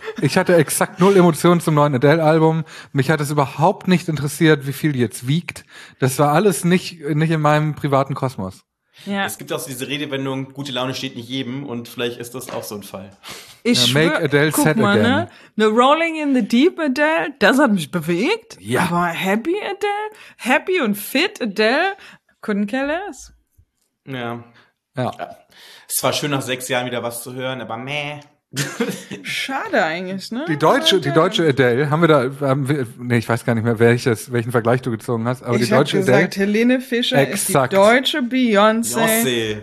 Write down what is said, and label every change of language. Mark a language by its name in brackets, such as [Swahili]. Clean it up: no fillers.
[German] Ich hatte exakt null Emotionen zum neuen Adele-Album. Mich hat es überhaupt nicht interessiert, wie viel die jetzt wiegt. Das war alles nicht in meinem privaten Kosmos. Ja. Es gibt auch so diese Redewendung, gute Laune steht nicht jedem. Und vielleicht ist das auch so ein Fall. [English] Make Adele sad again. [German] Guck mal, ne? Eine Rolling in the Deep Adele, das hat mich bewegt. Ja. Aber Happy Adele, Happy und Fit Adele, [English] couldn't care less. [German] Ja. Ja. Es war schön, nach 6 Jahren wieder was zu hören, aber meh. Schade eigentlich, ne? Die deutsche Adele, ich weiß gar nicht mehr, welchen Vergleich du gezogen hast, aber ich die deutsche gesagt, Adele. Ich habe gesagt, Helene Fischer exakt. Ist die deutsche Beyoncé.